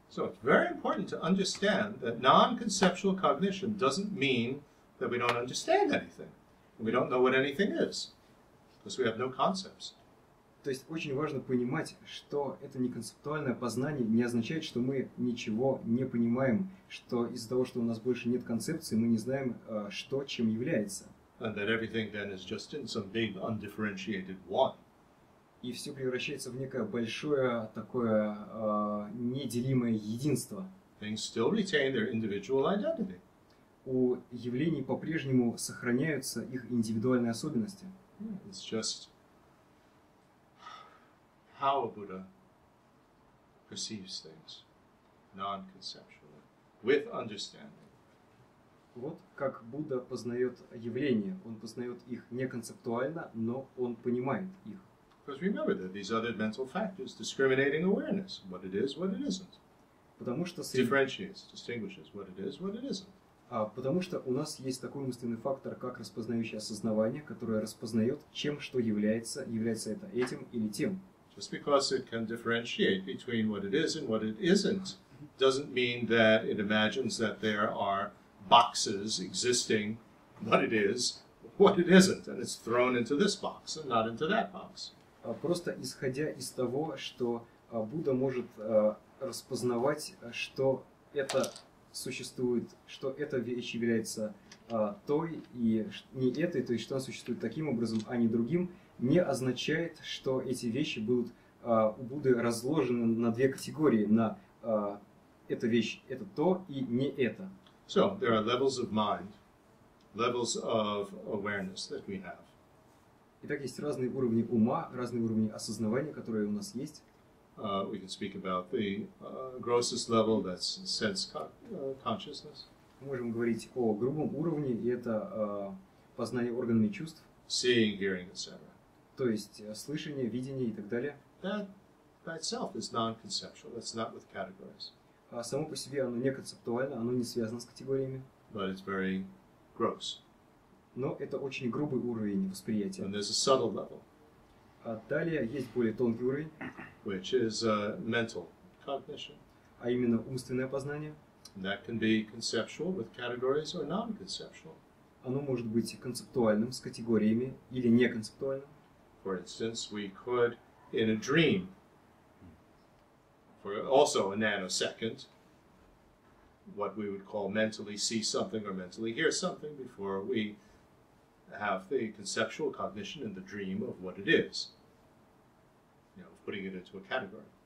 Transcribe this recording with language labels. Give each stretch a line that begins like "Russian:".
English: So it's very important to understand that non-conceptual cognition doesn't mean that we don't understand anything. We don't know what anything is, because we have no concepts.
Russian: То есть очень важно понимать, что это неконцептуальное познание не означает, что мы ничего не понимаем, что из-за того, что у нас больше нет концепции, мы не знаем, что чем является.
English: And that everything then is just in some big undifferentiated one.
Russian: И все превращается в некое большое такое неделимое единство.
English: Things still retain their individual identity.
Russian: У явлений по-прежнему сохраняются их индивидуальные особенности.
English: It's just how a Buddha perceives things non-conceptually, with understanding.
Russian: Вот как Будда познает явления. Он познает их неконцептуально, но он понимает их.
English: Because remember that these other mental factors discriminating awareness, what it is, what it isn't.
Russian: Потому что
English: differentiates, distinguishes what it is, what it isn't.
Russian: Потому что у нас есть такой мысленный фактор, как распознающее осознавание, которое распознает, чем что является, является это этим или тем.
English: Just because it can differentiate between what it is and what it isn't doesn't mean that it imagines that there are boxes existing, what it is, what it isn't, and it's thrown into this box and not into that box.
Russian: Просто исходя из того, что Будда может распознавать, что это существует, что эта вещь является той и не этой, то есть что она существует таким образом, а не другим, не означает, что эти вещи будут у Будды разложены на две категории, на эта вещь это то и не это.
English: So, there are levels of mind, levels of awareness that we have.
Russian: Итак, есть разные уровни ума, разные уровни осознавания, которые у нас есть.
English: We can speak about the grossest level, that's sense consciousness.
Russian: Мы можем говорить о грубом уровне, и это познание органами чувств.
English: Seeing, hearing, etc.
Russian: То есть слышание, видение и так далее.
English: That by itself is non-conceptual, that's not with categories.
Russian: А само по себе оно не концептуально, оно не связано с категориями.
English: But it's very gross.
Russian: Но это очень грубый уровень восприятия.
English: And there's a subtle level.
Russian: А далее есть более тонкий уровень.
English: Which is mental cognition.
Russian: А именно умственное познание.
English: And that can be conceptual with categories or non-conceptual.
Russian: Оно может быть концептуальным с категориями или неконцептуальным.
English: For instance, we could, in a dream, for also a nanosecond, what we would call mentally see something or mentally hear something before we have the conceptual cognition and the dream of what it is, you know, putting it into a category.